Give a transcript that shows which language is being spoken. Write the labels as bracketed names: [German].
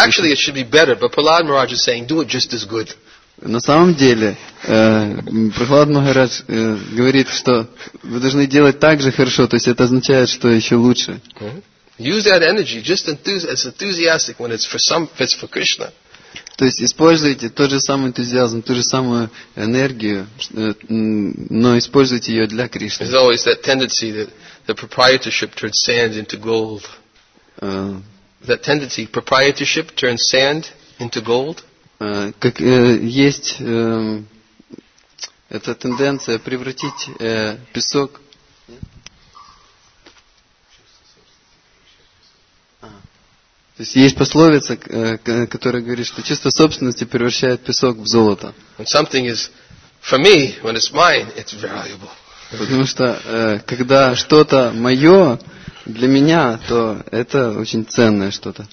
[English] Actually, it should be better, but Prahlad Maharaj is saying, do it just as good. [Russian] На самом деле, Прохлад Махарадж говорит, что вы должны делать так же хорошо, то есть это означает, что еще лучше. [English] Use that energy just as enthusiastic when it's for Krishna. [Russian] То есть используйте тот же самый энтузиазм, ту же самую энергию, но используйте ее для Кришны. [English] There's always that tendency that the proprietorship turns sand into gold. That tendency, proprietorship turns sand into gold. [Russian] Как есть эта тенденция превратить песок. То есть есть пословица, которая говорит, что чувство собственности превращает песок в золото. [English] Something is for me, when it's mine, it's valuable. [Russian] Потому что когда что-то мое для меня, то это очень ценное что-то.